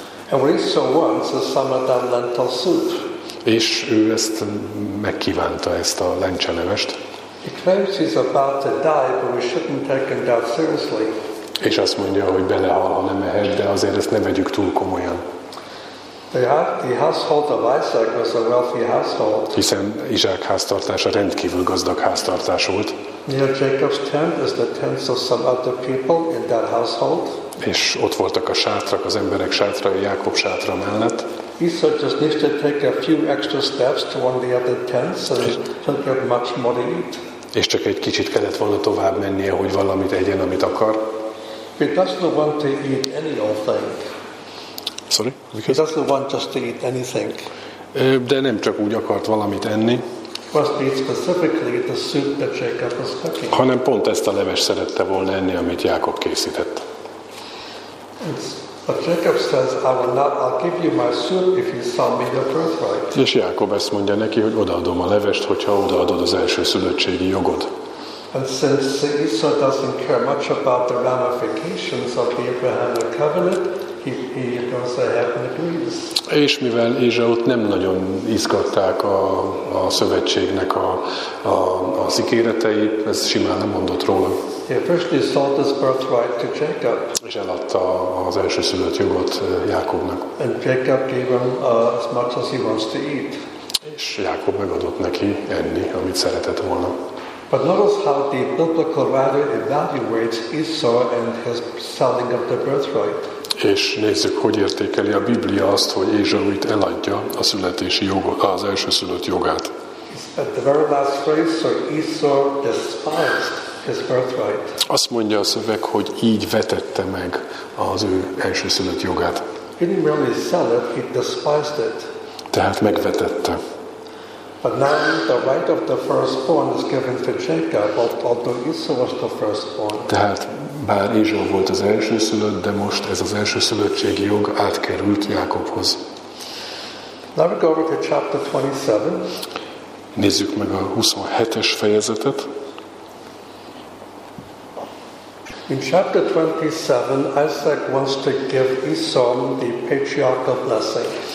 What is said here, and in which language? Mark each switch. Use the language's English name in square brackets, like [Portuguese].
[English] And what Esau wants is some of that lentil soup. [Hungarian] És ő ezt megkívánta, ezt a lencselevest. [English] He claims he's about to die, but we shouldn't take him that seriously. [Hungarian] És azt mondja, hogy belehal, ha nem ehet, de azért ezt ne vegyük túl komolyan. [English] The household of Isaac was a wealthy household. [Hungarian] Hiszen Izsák háztartása rendkívül gazdag háztartás volt. [English] Near Jacob's tent is the tents of some other people in that household. [Hungarian] És ott voltak a sátrak, az emberek sátra, a Jákob sátra mellett. [English] Esau just needs to take a few extra steps to one of the other tents, and he'll get much more to eat. [Hungarian] És csak egy kicsit kellett volna tovább mennie, hogy valamit egyen, amit akar. [English] He doesn't want to eat any old thing. Sorry? Because? He doesn't want just to eat anything. [Hungarian] De nem csak úgy akart valamit enni. [English] He wants to eat specifically the soup that Jacob was cooking. [Hungarian] Hanem pont ezt a leves szerette volna enni, amit Jákob készített. [English] But Jacob says, I'll give you my soup if you sell me your birthright. [Hungarian] És Jákob ezt mondja neki, hogy odaadom a levest, hogyha odaadod az első szülöttségi jogod. [English] And since Esau doesn't care much about the ramifications of the Abrahamic covenant, he goes ahead and agrees. [Hungarian] És mivel Ézsau nem nagyon izgatták a szövetségnek a ígéretei, ez simán nem mondott róla. [English] He officially sold his birthright to Jacob. [Hungarian] És eladta az elsőszülött jogot Jákobnak. [English] And Jacob gave him as much as he wants to eat. [Hungarian] És Jákob megadott neki enni, amit szeretett volna. [English] But notice how the biblical writer evaluates Esau and his selling of the birthright. [Hungarian] És nézzük, hogy értékeli a Biblia azt, hogy Ézsau itt eladja a születési jogot, az elsőszülött jogát. [English] At the very last phrase, so Esau despised. [Hungarian] Azt mondja a szöveg, hogy így vetette meg az ő elsőszülött jogát. [English] He didn't really sell it, he despised it. [Hungarian] Tehát megvetette. [English] But now the right of the firstborn is given to Jacob, although Esau was the firstborn. [Hungarian] Tehát bár Ézsau volt az elsőszülött, de most ez az elsőszülöttségi jog átkerült Jákobhoz. [English] Now we go over to chapter 27. [Hungarian] Nézzük meg a 27-es fejezetet. [English] In chapter 27, Isaac wants to give Esau the patriarchal blessing.